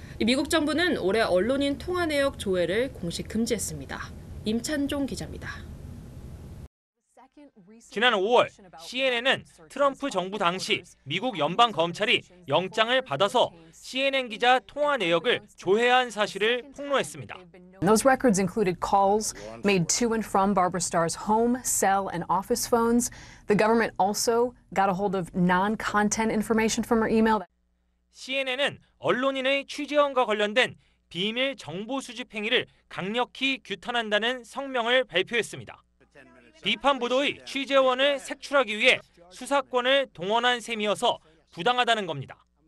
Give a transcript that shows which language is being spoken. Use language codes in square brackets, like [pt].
[ko] 미국 정부는 올해 언론인 통화 내역 조회를 공식 금지했습니다. 임찬종 기자입니다. 지난 5월 CNN은 트럼프 정부 당시 미국 연방검찰이 영장을 받아서 CNN 기자 통화 내역을 조회한 사실을 폭로했습니다. [en] Those records included calls made to and from Barbara Starr's home, cell, and office phones. The government also got a hold of non-content information from her email. [ko] CNN은 언론인의 취재원과 관련된 비밀 정보 수집 행위를 강력히 규탄한다는 성명을 발표했습니다. 비판 보도의 취재원을 색출하기 위해 수사권을 동원한 셈이어서 부당하다는 겁니다.